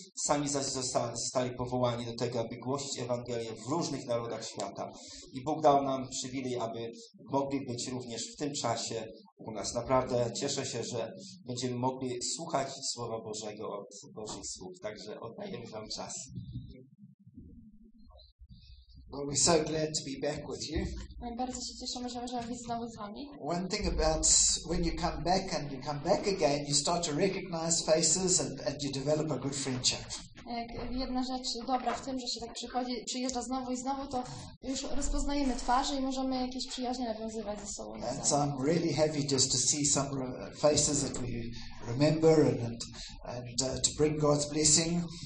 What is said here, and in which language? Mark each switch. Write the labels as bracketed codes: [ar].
[pl] Sami zaś zostali powołani do tego, aby głosić Ewangelię w różnych narodach świata. I Bóg dał nam przywilej, aby mogli być również w tym czasie u nas. Naprawdę cieszę się, że będziemy mogli słuchać Słowa Bożego od Bożych słów. Także oddajemy wam czas. [en] Well, we're so glad to be back with you. [pl] Bardzo się cieszymy, że możemy być znowu z wami. [en] One thing about when you come back and you come back again, you start to recognize faces and you develop a good friendship. [pl] Jedna rzecz dobra w tym, że się tak przyjeżdża znowu i znowu, to już rozpoznajemy twarze i możemy jakieś przyjaźnie nawiązywać ze sobą. [en] And so I'm really happy just to see some faces that we remember and to bring God's blessing.